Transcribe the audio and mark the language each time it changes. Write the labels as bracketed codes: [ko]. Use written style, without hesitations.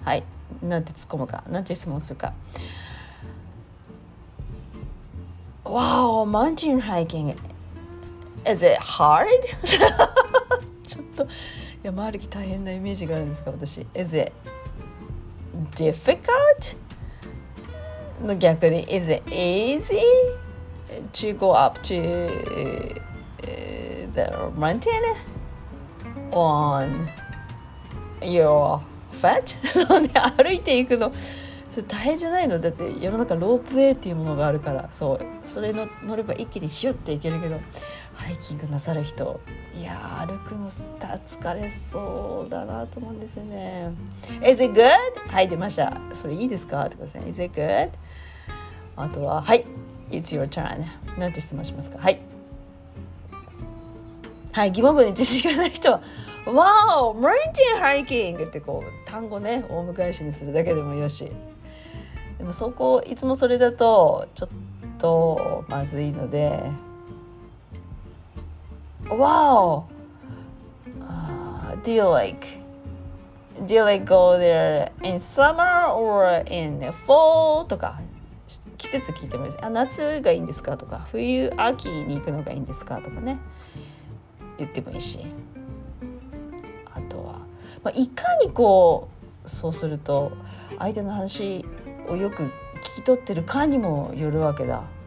[ja] はい、なんて突っ込むか、なんて質問するか。 [en] Wow, mountain hiking. Is it hard? [ja] ちょっと山歩き大変なイメージがあるんですか私。 [en] Is it difficult? [ja] の逆に [en] Is it easy to go up to the mountain on your foot? [ja] そうね、歩いていくの。それ大変じゃないの。だって世の中ロープウェイっていうものがあるから、そう、それの乗れば一気にヒュッていけるけど、ハイキングなさる人、いや歩くの疲れそうだなと思うんですよね。 [en] Is it good? [ja] はい、出ました。それいいですかってことですね。 [en] Is it good? [ja] あとは、はい、 [en] It's your turn。 [ja] なんて質問しますか。はいはい、疑問文に自信がない人は、 [en] Wow! Mountain hiking! [ja] ってこう単語ね、お迎え詞にするだけでもよし。でもそこ、いつもそれだとちょっとまずいので、 [en] Wow! Do you like go there in summer or in fall? [ja] とか季節聞いてもいいです。あ、夏がいいんですかとか、冬、秋に行くのがいいんですかとかね、言ってもいいし。あとは、まあ、いかにこう、そうすると相手の話をよく聞き取ってるかにもよるわけだ。